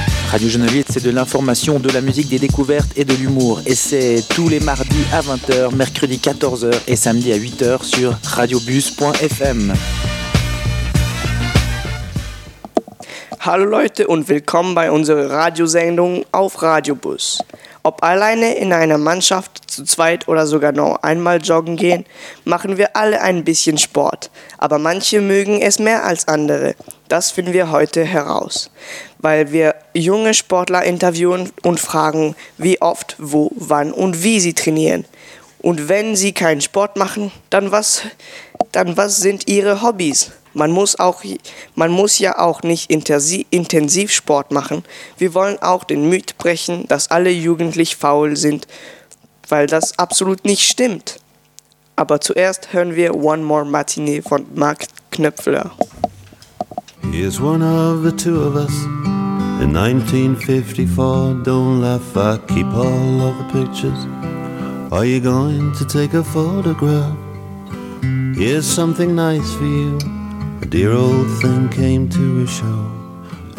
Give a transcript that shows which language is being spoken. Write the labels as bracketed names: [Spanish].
[French] Radio Jeune Ville, c'est de l'information, de la musique, des découvertes et de l'humour. Et c'est tous les mardis à 20h, mercredi 14h et samedi à 8h sur radiobus.fm. [German] Hallo Leute und willkommen bei unserer Radiosendung auf Radiobus. Ob alleine in einer Mannschaft, zu zweit oder sogar noch einmal joggen gehen, machen wir alle ein bisschen Sport. Aber manche mögen es mehr als andere. Das finden wir heute heraus, weil wir junge Sportler interviewen und fragen, wie oft, wo, wann und wie sie trainieren. Und wenn sie keinen Sport machen, dann was sind ihre Hobbys? Man muss ja auch nicht intensiv Sport machen. Wir wollen auch den Mythos brechen, dass alle jugendlich faul sind, weil das absolut nicht stimmt. Aber zuerst hören wir One More Matinee von Marc Knöpfler. [English] Here's one of the two of us in 1954. Don't laugh, I keep all of the pictures. Are you going to take a photograph? Here's something nice for you. A dear old thing came to a show.